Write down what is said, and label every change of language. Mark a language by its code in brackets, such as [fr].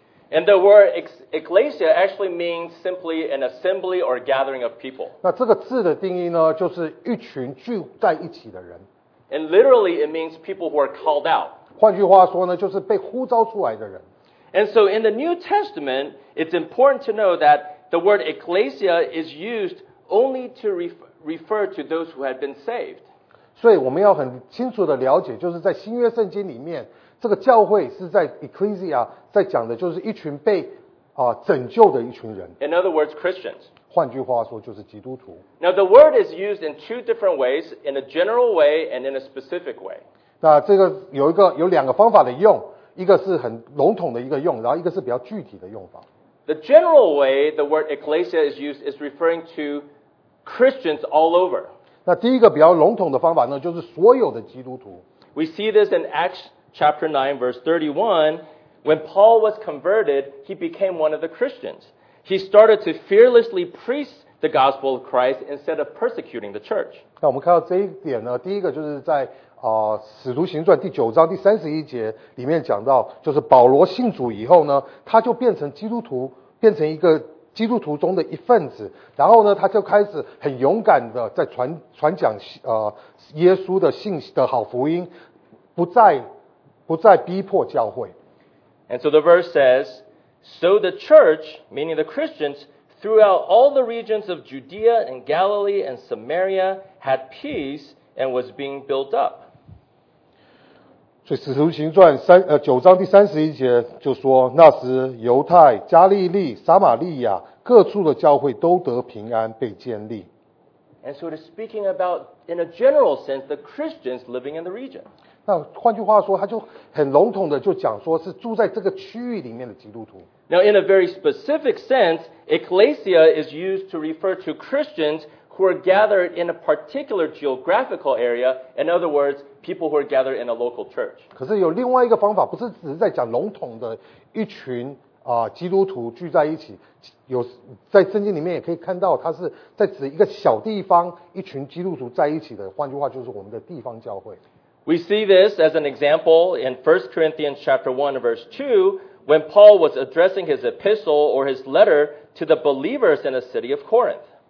[en] And the word ecclesia actually means simply an assembly or gathering of people. [zh] 那这个字的定义呢, 就是一群聚在一起的人。 [en] And literally, it means people who are called out. [zh] 换句话说呢, 就是被呼召出来的人。 [en] And so in the New Testament, it's important to know that the word ecclesia is used only to refer to those who had been saved. [zh] 所以我们要很清楚地了解, 就是在新约圣经里面, 这个教会是在ecclesia, 在讲的就是一群被, 拯救的一群人。 [en] In other words, Christians. [zh] 换句话说就是基督徒。 [en] Now the word is used in two different ways, in a general way and in a specific way. [zh] 那这个有两个方法的用,一个是很笼统的一个用,然后一个是比较具体的用法。The [en] general way the word ecclesia is used is referring to Christians all over. [zh] 那第一个比较笼统的方法呢,就是所有的基督徒。 [en] We see this in Acts chapter 9, verse 31. When Paul was converted, he became one of the Christians. He started to fearlessly preach the gospel of Christ instead of persecuting the church. [zh] 那我们看到这一点呢，第一个就是在使徒行传第九章第三十一节里面讲到，就是保罗信主以后呢，他就变成基督徒，变成一个基督徒中的一份子，然后呢，他就开始很勇敢的在传讲耶稣的信息的好福音，不再逼迫教会。 [en] And so the verse says, so the church, meaning the Christians, throughout all the regions of Judea and Galilee and Samaria, had peace and was being built up. [zh] 所以使徒行传九章第三十一节就说，那时犹太、加利利、撒玛利亚各处的教会都得平安，被建立。 [en] And so it is speaking about, in a general sense, the Christians living in the region. [zh] 那换句话说，他就很笼统的就讲说是住在这个区域里面的基督徒。 [en] Now, in a very specific sense, ecclesia is used to refer to Christians who are gathered in a particular geographical area. In other words, people who are gathered in a local church. [zh] 可是有另外一个方法，不是只是在讲笼统的一群基督徒聚在一起，有在圣经里面也可以看到，它是在指一个小地方，一群基督徒在一起的。换句话就是我们的地方教会。 [en] We see this as an example in 1 Corinthians chapter 1 verse 2, when Paul was addressing his epistle or his letter to the believers in the city of Corinth.